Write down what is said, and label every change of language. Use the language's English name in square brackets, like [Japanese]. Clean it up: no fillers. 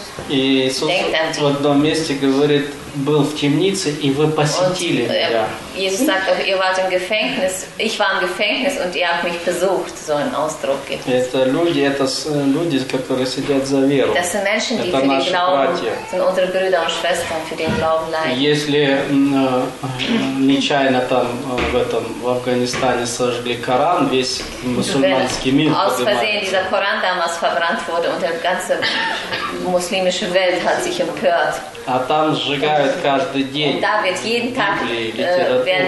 [Russian] И Иисус в одном месте говорит, был в темнице, и вы посетили меня. [German] Иисус sagt, ihr wart im Gefängnis, ich war im Gefängnis und ihr habt mich besucht, so ein Ausdruck gibt es. [Russian] Это люди, которые сидят за веру. [German] Das sind Menschen, die für den Glauben, sind unsere Brüder und Schwestern, für den Glauben leiden. [Russian] Если нечаянно там в этом в Афганистане сожгли Коран, весь мусульманский мир поднимается. [German] Aus Versehen dieser Koran damals verbrannt wurde und der ganze muslimische Welt hat sich empört. [Russian] А там сжигают каждый день да, ведь ей так, Библии, литературы.